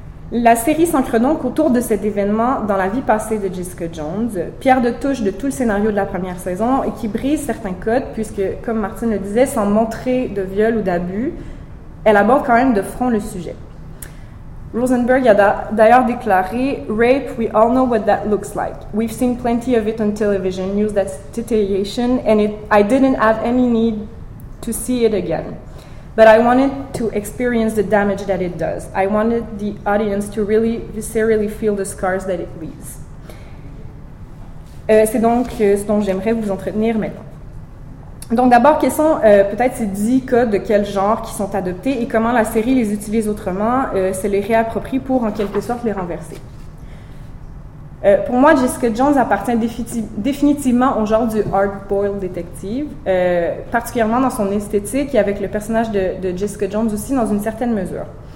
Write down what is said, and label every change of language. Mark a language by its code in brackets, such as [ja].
[fr] La série s'ancre donc autour de cet événement dans la vie passée de Jessica Jones, pierre de touche de tout le scénario de la première saison et qui brise certains codes puisque, comme Martine le disait, sans montrer de viol ou d'abus, elle aborde quand même de front le sujet. Rosenberg a d'ailleurs déclaré « [en] Rape, we all know what that looks like. We've seen plenty of it on television, news that's titillation, and I didn't have any need to see it again. But I wanted to experience the damage that it does. I wanted the audience to really viscerally feel the scars that it leaves. [fr] » C'est donc ce dont j'aimerais vous entretenir maintenant. Donc d'abord, quels sont peut-être ces 10 codes de quel genre qui sont adoptés et comment la série les utilise autrement, se les réapproprie pour en quelque sorte les renverser. Pour moi, Jessica Jones appartient définitivement au genre du hard-boiled détective, particulièrement dans son esthétique et avec le personnage de Jessica Jones aussi dans une certaine mesure.